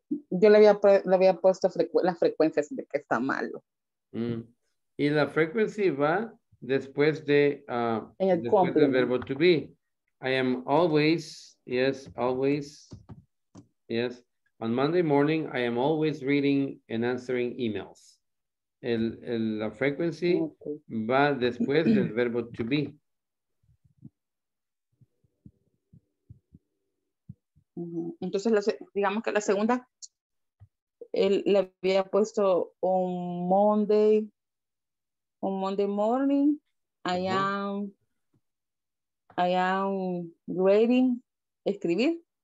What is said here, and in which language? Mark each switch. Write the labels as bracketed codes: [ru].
[es] Yo le había puesto las frecuencias de que está malo. Y la frequency va después de del verbo to be. [en] I am always, yes, always, yes. On Monday morning, I am always reading and answering emails. [es] La frequency va después del verbo to be. Entonces, digamos que la segunda, le había puesto [en] on Monday morning, I am writing, [es] escribir.